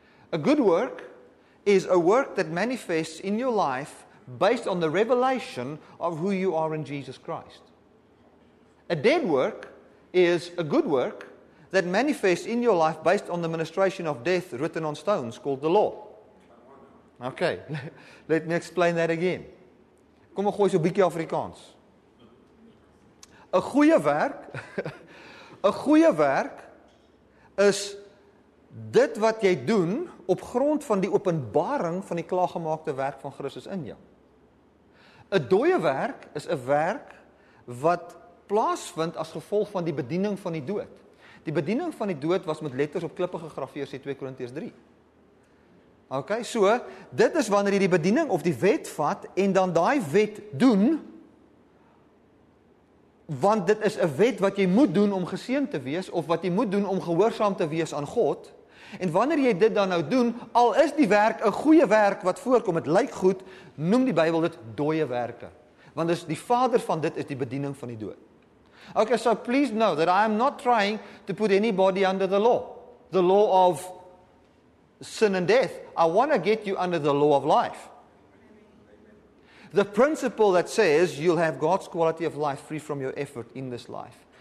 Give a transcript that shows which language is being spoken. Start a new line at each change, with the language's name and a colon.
English: A good work is a work that manifests in your life based on the revelation of who you are in Jesus Christ. A dead work is a good work that manifests in your life based on the ministration of death written on stones called the law. Okay, let me explain that again.
Afrikaans: Kom, gooi so 'n bietjie Afrikaans. 'N goeie werk, 'n goeie werk is dit wat jy doen op grond van die openbaring van die klaargemaakte werk van Christus in jou. 'N dooie werk is 'n werk wat plaasvind as gevolg van die bediening van die dood. Die bediening van die dood was met letters op klippe gegraveer, sê 2 Korintiërs 3. Ok, so, dit is wanneer jy die bediening of die wet vat, en dan die wet doen, want dit is 'n wet wat jy moet doen om geseend te wees, of wat jy moet doen om gehoorsaam te wees aan God, en wanneer jy dit dan nou doen, al is die werk 'n goeie werk wat voorkom, het lyk goed, noem die Bybel dit dooie werke. Want dis die vader van dit is die bediening van die dood.
English: Okay, so please know that I am not trying to put anybody under the law of sin and death. I want to get you under the law of life. The principle that says you'll have God's quality of life free from your effort in this life.